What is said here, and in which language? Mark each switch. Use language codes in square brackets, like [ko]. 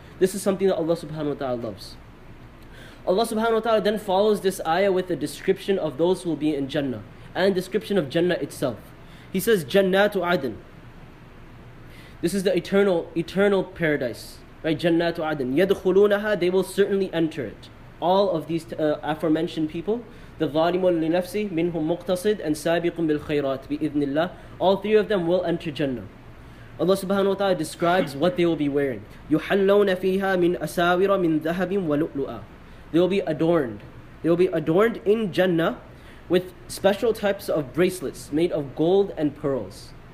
[en] This is something that Allah subhanahu wa ta'ala loves. Allah subhanahu wa ta'ala then follows this ayah with a description of those who will be in Jannah and description of Jannah itself. He says, Jannatu Adn. This is the eternal paradise. Right? Jannatu Adn. [ar] يَدْخُلُونَهَا. [en] They will certainly enter it. All of these aforementioned people, the [ar] ظَالِمُ لِنَفْسِ مِنْهُمْ مُقْتَصِدْ [en] and [ar] سَابِقٌ بِالْخَيْرَاتِ بِإِذْنِ اللَّهِ. [en] All three of them will enter Jannah. Allah subhanahu wa ta'ala describes what they will be wearing. [ar] يُحَلَّوْنَ فِيهَا مِنْ أَسَاوِرَ مِنْ ذَهَبٍ وَلُؤْلُؤًا. [en] They will be adorned. They will be adorned in Jannah with special types of bracelets made of gold and pearls.